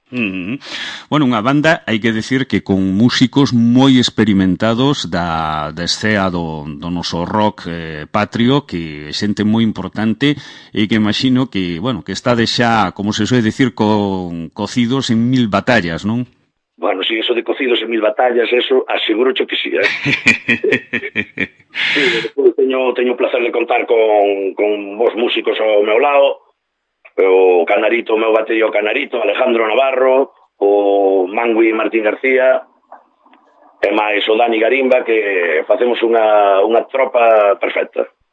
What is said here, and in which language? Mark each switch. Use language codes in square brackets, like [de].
[gl] Bueno, unha banda, hai que decir que con músicos moi experimentados da escena do noso rock patrio, que é xente moi importante e que imagino que, bueno, que está de xa, como se soe decir, [es] cocidos en 1000 batallas, [gl] non? [es] Bueno, si eso de cocidos en 1000 batallas, eso aseguro cho que sí, ¿eh? [gl] Sí, teño o placer de contar con vos músicos ao meu lado, o Canarito, o meu batería, o Canarito, Alejandro Navarro, o Mangui Martín García, e máis o Dani Garimba, que facemos unha tropa perfecta.